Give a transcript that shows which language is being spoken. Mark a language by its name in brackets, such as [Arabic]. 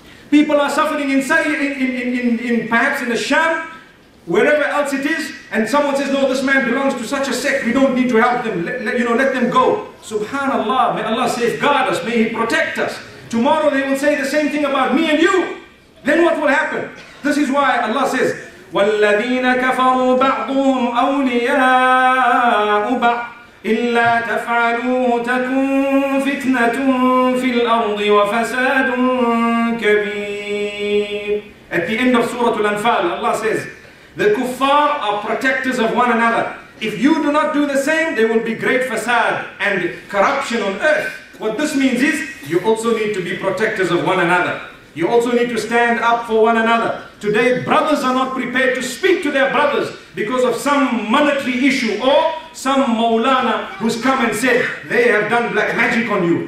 [English] People are suffering in perhaps in the Sham, wherever else it is, and someone says, no, this man belongs to such a sect, we don't need to help them, let them go. Subhanallah, may Allah safeguard us, may He protect us. Tomorrow they will say the same thing about me and you. Then what will happen? This is why Allah says, [Arabic] وَالَّذِينَ كَفَرُوا بَعْضُهُمْ أَوْلِيَاءُ بَعْضٍ إِلَّا تَفْعَلُوهُ تَكُنْ فِتْنَةٌ فِي الْأَرْضِ وَفَسَادٌ كَبِيرٌ. [English] At the end of Surah Al-Anfal, Allah says, the kuffar are protectors of one another. If you do not do the same, there will be great fasad and corruption on earth. What this means is, you also need to be protectors of one another. You also need to stand up for one another. Today, brothers are not prepared to speak to their brothers because of some monetary issue or some Mawlana who's come and said, they have done black magic on you.